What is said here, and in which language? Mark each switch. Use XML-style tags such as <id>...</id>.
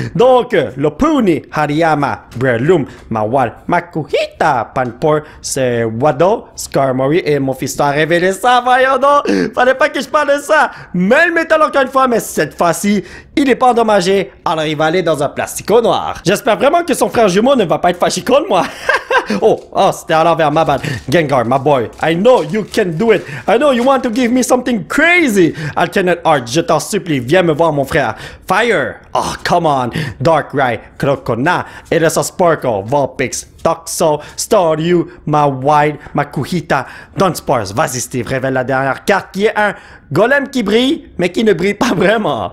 <fr>Donc, Lopunny, Hariyama, Breloom, Mawal, Makuhita, Panpour, c'est Wado, Skarmory et mon fiston a révélé ça, voyons donc. Fallait pas que je parle de ça. Mais le métal encore une fois, mais cette fois-ci, il est pas endommagé. Alors, il va aller dans un plastico noir. J'espère vraiment que son frère jumeau ne va pas être fâché contre moi. Oh, c'était à l'envers, ma bad.</fr> <en>Gengar, my boy, I know you can do it. I know you want to give me something crazy.</en> <fr>Alternate Art, je t'en supplie, viens me voir, mon frère.</fr> <en>Fire, oh, come on. Darkrai, Crokona, Erasa Sparkle, Vulpix, Toxo, Staryu, Mawile, Makuhita, Dunsparce.</en> <fr>Vas-y, Steve, révèle la dernière carte qui est un golem qui brille, mais qui ne brille pas vraiment.</fr>